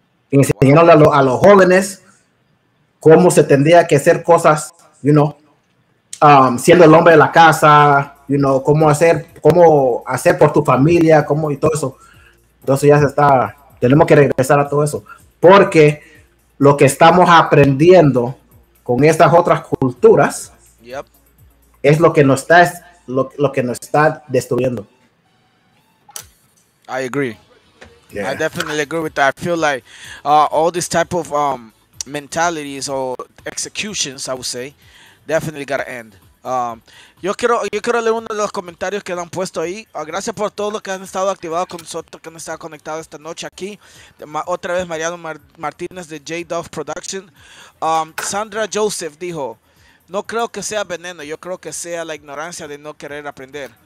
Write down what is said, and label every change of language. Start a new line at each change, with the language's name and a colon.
Spanish: Enseñaron a los jóvenes cómo se tendría que hacer cosas,
English: you know,
Spanish: siendo el hombre de la casa, you know, cómo hacer por tu familia, cómo y todo eso. Entonces ya se está, tenemos que regresar a todo eso. Porque lo que estamos aprendiendo con estas otras culturas...
English: Yep.
Spanish: Es lo que nos está lo que nos está destruyendo.
English: I agree. Yeah. I definitely agree with that. I feel like all this type of mentalities or executions, I would say, definitely gotta end.
Spanish: Yo quiero leer uno de los comentarios que han puesto ahí. Gracias por todos los que han estado activados con nosotros, que han estado conectados esta noche aquí. Otra vez Mariano Martínez de J-Dove Production. Sandra Joseph dijo: no creo que sea veneno, yo creo que sea la ignorancia de no querer aprender.